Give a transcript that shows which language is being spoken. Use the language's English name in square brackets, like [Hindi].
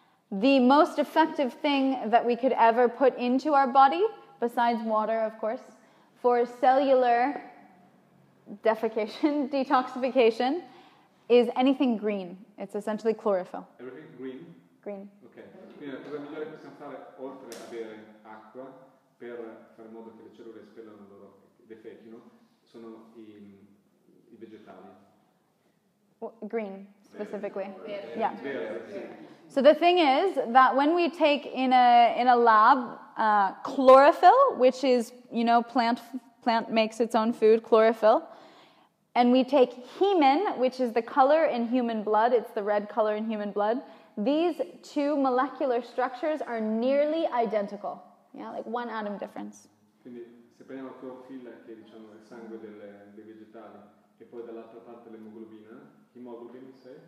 [English] The most effective thing that we could ever put into our body, besides water of course, for cellular defecation, detoxification, is anything green. It's essentially chlorophyll. Everything green? Green. Okay. [Italian] Quindi la cosa migliore che possiamo fare, oltre a bere acqua, per fare in modo che le cellule espellano loro, defechino, sono i vegetali. [English] Green, specifically. [Italian] Verde. Yeah. Verde, sì. [English] So the thing is that when we take in a lab chlorophyll, which is, you know, plant makes its own food, chlorophyll, and we take hemin, which is the color in human blood, it's the red color in human blood, these two molecular structures are nearly identical. Yeah, like one atom difference. [Italian] Quindi se prendiamo clorofilla, che diciamo il sangue dei vegetali, e poi dall'altra parte l'emoglobina, [English] hemoglobin, say?